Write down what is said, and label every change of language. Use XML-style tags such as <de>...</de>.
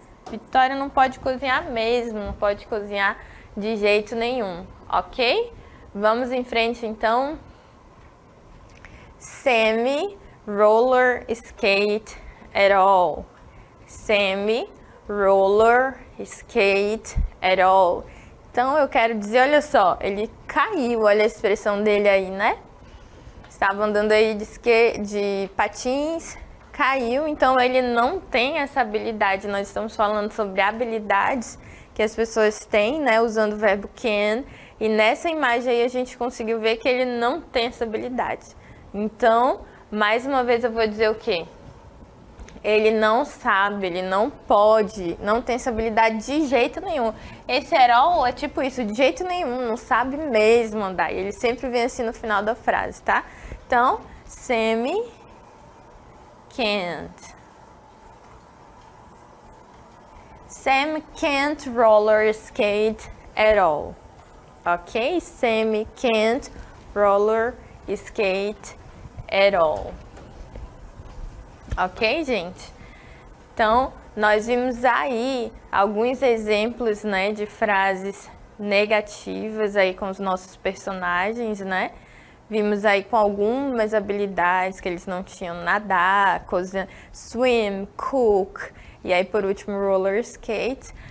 <pt>Vitória não pode cozinhar mesmo, não pode cozinhar de jeito nenhum, ok? Vamos em frente então.</pt> <en>Sammy roller skate at all. Sammy roller skate at all.</en> <pt>Então eu quero dizer, olha só, ele caiu, olha a expressão dele aí, né? Estava andando aí de patins, caiu, então ele não tem essa habilidade. Nós estamos falando sobre habilidades que as pessoas têm, né, usando o verbo can, e nessa imagem aí a gente conseguiu ver que ele não tem essa habilidade. Então, mais uma vez eu vou dizer o quê? Ele não sabe, ele não pode, não tem essa habilidade de jeito nenhum. Esse herói é tipo isso, de jeito nenhum, não sabe mesmo andar. E ele sempre vem assim no final da frase, tá?</pt> <en>Então, Sammy can't. Sam can't roller skate at all. Ok? Sammy can't roller skate at all.</en> <pt>Ok, gente? Então, nós vimos aí alguns exemplos, né, de frases negativas aí com os nossos personagens, né? Vimos aí com algumas habilidades que eles não tinham: nadar, cozinhar, swim, cook, e aí por último roller skate.</pt>